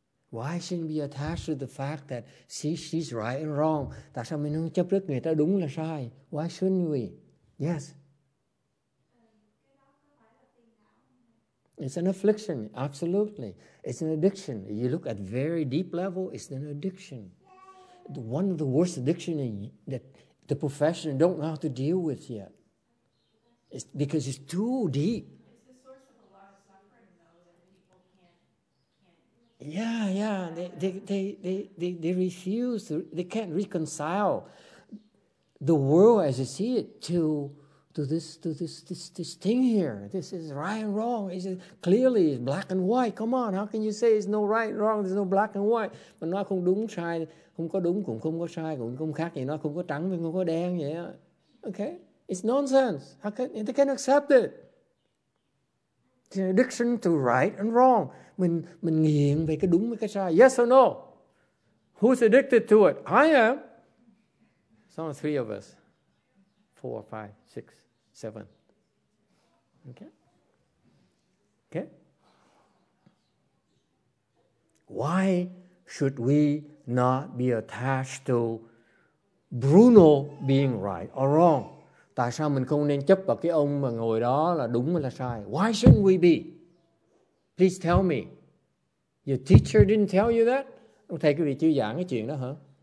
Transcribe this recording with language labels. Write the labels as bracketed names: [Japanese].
[English] Why shouldn't we be attached to the fact that she's right and wrong? [Vietnamese] Tại sao mình không chấp trước người ta đúng là sai? [English] Why shouldn't we? Yes. It's an affliction, absolutely. It's an addiction. You look at very deep level, it's an addiction. One of the worst addictions that the profession don't know how to deal with yet. It's because it's too deep. Yeah. They refuse. They can't reconcile the world as you see it to this thing here. This is right and wrong. Is it clearly black and white? Come on, how can you say it's no right and wrong? There's no black and white. [Vietnamese] Mà nó không đúng sai, không có đúng cũng không có sai cũng không khác gì. Nó không có trắng cũng không có đen vậy. [English] Okay, it's nonsense. How can they can accept it? It's an addiction to right and wrong. [Vietnamese] Mình nghiện về cái đúng với cái sai. [English] Yes or no? Who's addicted to it? I am. It's only three of us. 4, 5, 6, 7. Okay? Why should we not be attached to Bruno being right or wrong? [Vietnamese] Tại sao mình không nên chấp vào cái ông mà ngồi đó là đúng hay là sai? [English] Why shouldn't we be? Please tell me. Your teacher didn't tell you that? [Vietnamese] Ông thầy quý vị chưa giảng cái chuyện đó hả?